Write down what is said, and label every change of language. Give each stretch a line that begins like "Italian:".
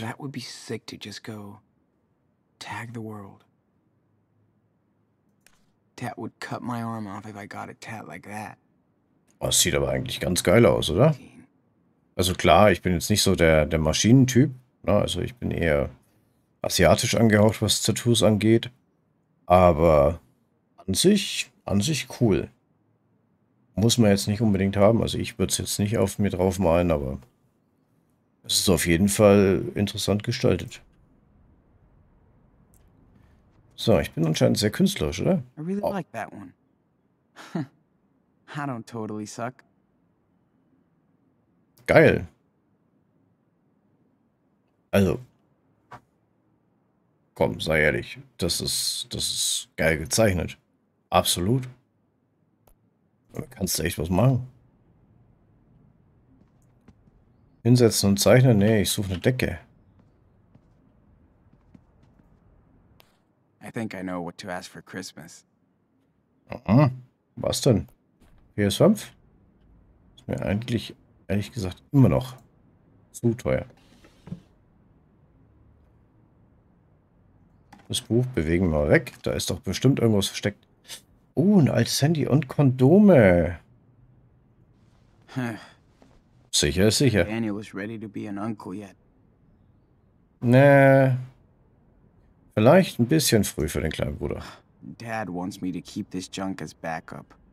English: That would be sick to just go tag the world. Tat would cut my arm off if I got a tat like that.
German: Oh, das sieht aber eigentlich ganz geil aus, oder? Also klar, ich bin jetzt nicht so der Maschinentyp. Ne? Also ich bin eher asiatisch angehaucht, was Tattoos angeht. Aber an sich cool. Muss man jetzt nicht unbedingt haben. Also ich würde es jetzt nicht auf mir drauf malen, aber es ist auf jeden Fall interessant gestaltet. So, ich bin anscheinend sehr künstlerisch, oder?
English: I really like that one. I don't totally suck.
German: Geil. Also. Komm, sei ehrlich. Das ist geil gezeichnet. Absolut. Da kannst du echt was machen. Hinsetzen und zeichnen? Nee, ich suche eine Decke.
English: I think I know what to ask for Christmas.
German: Mhm. Was denn? PS5? Ist mir eigentlich, ehrlich gesagt, immer noch zu teuer. Das Buch bewegen wir mal weg. Da ist doch bestimmt irgendwas versteckt. Oh, ein altes Handy und Kondome. Sicher ist sicher.
English: Daniel is ready to be an uncle yet.
German: Nee. Vielleicht ein bisschen früh für den kleinen Bruder.
English: Dad wants me to keep this junk as backup.